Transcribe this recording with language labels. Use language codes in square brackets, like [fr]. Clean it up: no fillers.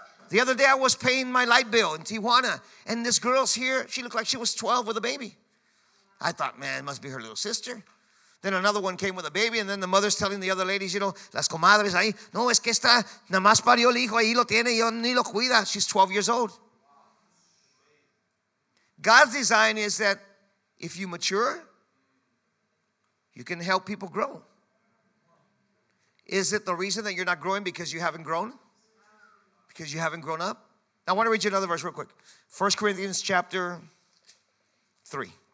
[en] The other day I was paying my light bill in Tijuana, and this girl's here. She looked like she was 12 with a baby. I thought, man, it must be her little sister. Then another one came with a baby, and then the mother's telling the other ladies, you know, [es] las comadres ahí. No, es que está, nada más parió el hijo, ahí lo tiene, yo ni lo cuida. [en] She's 12 years old. God's design is that if you mature, you can help people grow. Is it the reason that you're not growing because you haven't grown? Because you haven't grown up? Now, I want to read you another verse real quick. 1 Corinthians chapter 3.